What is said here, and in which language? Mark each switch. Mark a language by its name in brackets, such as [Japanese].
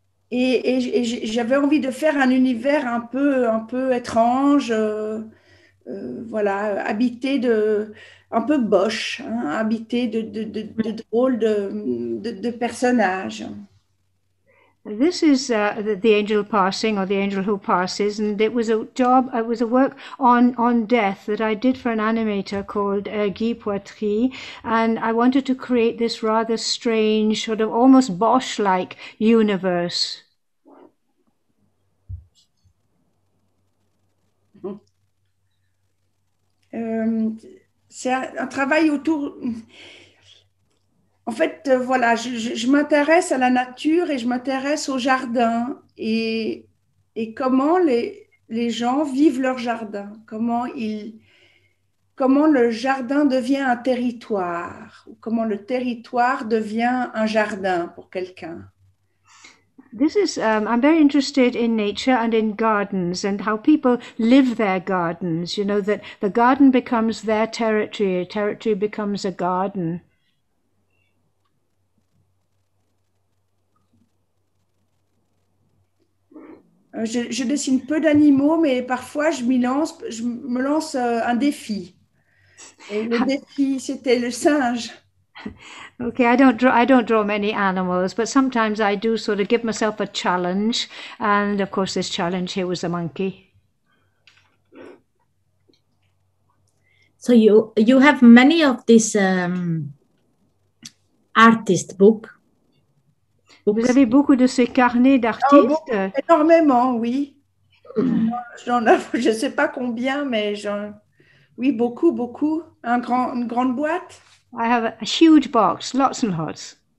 [French] Et j'avais envie de faire un univers un peu étrange, voilà, habité de. Un peu boche, hein, habité de drôles de personnages. [English] This is the angel passing, or the angel who passes, and it was a job. It was a work on death that I did for an animator called Guy Poitry, and I wanted to create this rather strange, sort of almost Bosch-like universe. [French] C'est un travail autour. En fait, voilà, je m'intéresse à la nature et je m'intéresse au jardin et comment les gens vivent leur jardin, comment le jardin devient un territoire, ou comment le territoire devient un jardin pour quelqu'un. [English] This is, I'm very interested in nature and in gardens and how people live their gardens. You know, that the garden becomes their territory, a territory becomes a garden. [French] Je dessine peu d'animaux, mais parfois je me lance un défi. Et le défi, c'était le singe. [English] Okay, I don't draw many animals, but sometimes I do sort of give myself a challenge, and of course this challenge here was a monkey. So you have many of these artist [French] Vous [English] books. [French] avez beaucoup de ces carnets Oh, d'artistes? beaucoup, énormément, oui. J'en ai, je ne sais pas combien, mais oui, beaucoup, beaucoup. Une grande boîte. [English] I have a huge box, lots and lots.